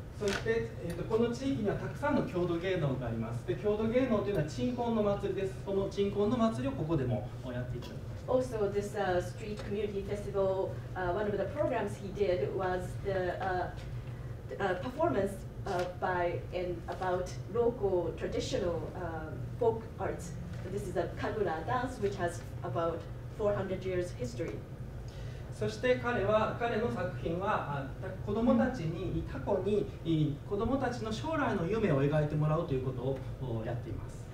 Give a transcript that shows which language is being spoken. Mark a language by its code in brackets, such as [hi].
[ja] そして、この地域にはたくさんの郷土芸能があります。で、郷土芸能というのは鎮魂の祭りです。その鎮魂の祭りをここでもやっていきます。 [en] Also, this street community festival, one of the programs he did was the performance by and about local traditional folk arts. This is a Kagura dance, which has about 400 years history. [ja] そして彼の作品は子どもたちに、過去に子どもたちの将来の夢を描いてもらうということをやっています。